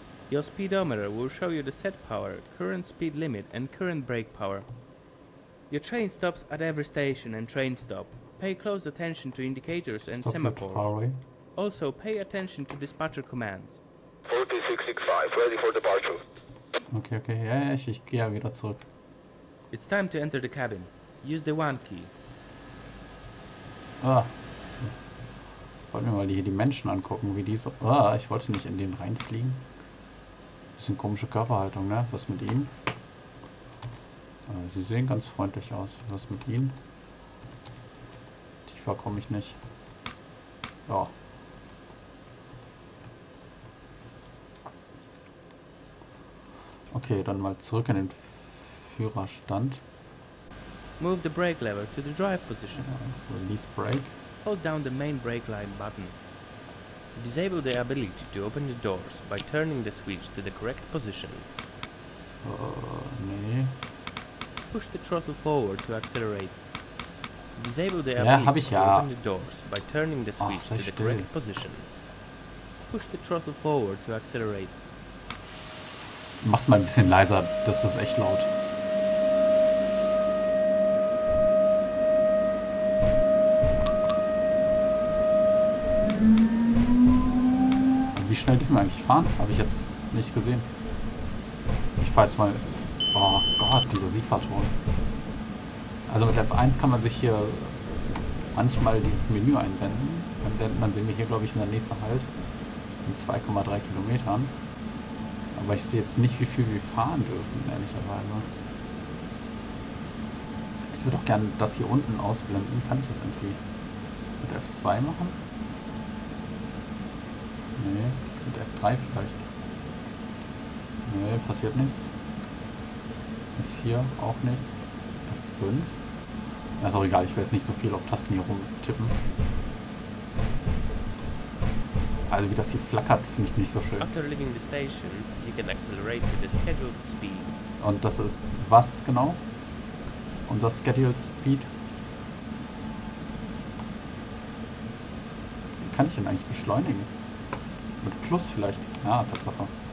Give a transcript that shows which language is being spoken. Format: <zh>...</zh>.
<en>Your speedometer will show you the set power, current speed limit and current brake power. Your train stops at every station and train stop. Pay close attention to indicators and semaphore. Also, pay attention to dispatcher commands. 4665, ready for departure.</en> <de>Okay, ja, ich gehe wieder zurück.</de> <en>It's time to enter the cabin. Use the one key. Ah.</en> <de>Wollen wir mal hier die Menschen angucken, wie die so. Ah, ich wollte nicht in den reinfliegen. Bisschen komische Körperhaltung, ne? Was mit ihnen? Sie sehen ganz freundlich aus. Was mit ihnen? Tiefer komme ich nicht. Ja. Okay, dann mal zurück in den Führerstand.</de> <en>Move the brake lever to the drive position. Release brake. Hold down the main brake line button. Disable the ability to open the doors by turning the switch to the correct position.</en> <de>Nee.</de> <en>Push the throttle forward to accelerate. Disable the ability to open the doors by turning the switch to the correct position. Push the throttle forward to accelerate.</en> <de>Macht mal ein bisschen leiser, das ist echt laut. Wie schnell dürfen wir eigentlich fahren? Habe ich jetzt nicht gesehen. Ich fahre jetzt mal. Oh Gott, dieser SIFA-Ton. Also mit F1 kann man sich hier manchmal dieses Menü einwenden. Dann blendet man sehen wir hier, glaube ich, in der nächsten Halt. In 2,3 Kilometern. Aber ich sehe jetzt nicht, wie viel wir fahren dürfen, ehrlicherweise. Ich würde auch gerne das hier unten ausblenden. Kann ich das irgendwie mit F2 machen? Nee, mit F3 vielleicht. Nee, passiert nichts. F4 auch nichts. F5. Ja, ist auch egal, ich will jetzt nicht so viel auf Tasten hier rumtippen. Also wie das hier flackert, finde ich nicht so schön.</de> <en>After leaving the station, you can accelerate to the scheduled speed.</en> <de>Und das ist was genau? Unser Scheduled Speed? Wie kann ich denn eigentlich beschleunigen? Mit Plus vielleicht? Ja, Tatsache.</de>